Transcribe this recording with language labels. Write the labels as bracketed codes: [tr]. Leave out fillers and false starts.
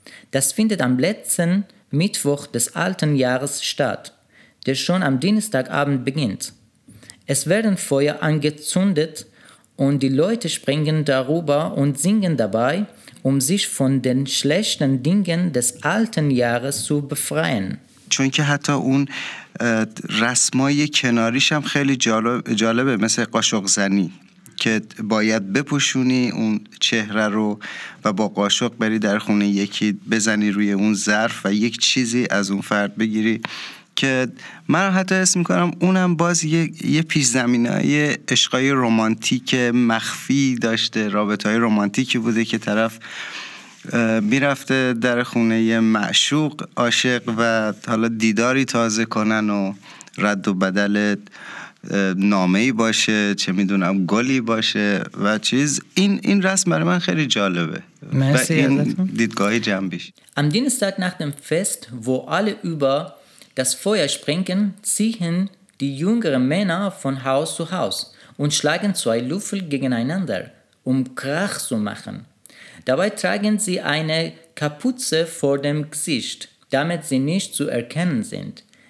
[de] Das findet am letzten Mittwoch des alten Jahres statt. Der schon am Dienstagabend beginnt. Es werden Feuer angezündet und die Leute springen darüber und singen dabei, um sich von den schlechten Dingen des alten Jahres zu befreien. [fa] چون که حتی اون رسمای کناریش هم خیلی جالبه، مثل قاشق زنی که باید بپوشونی اون چهره رو و با قاشق بری در خونه یکی بزنی روی اون ظرف و یک چیزی از اون فرد بگیری، که من حتی اسم میکنم اونم باز یه پیش زمینه یه عشقای رومانتیک مخفی داشته، رابطه های رومانتیکی بوده که طرف میرفته در خونه یه معشوق عاشق و حالا دیداری تازه کنن و رد و بدل نامه‌ای باشه، چه میدونم گلی باشه و چیز. این رسم برای من خیلی جالبه. مرسی ازتون. دیدگاهی جنبیش. [de] Am Dienstag nach dem Fest, wo alle über das Feuer sprengen, ziehen die jüngeren Männer von Haus zu Haus und schlagen zwei Löffel gegeneinander, um Krach zu machen. Dabei tragen sie eine Kapuze vor dem Gesicht, damit sie nicht zu erkennen sind.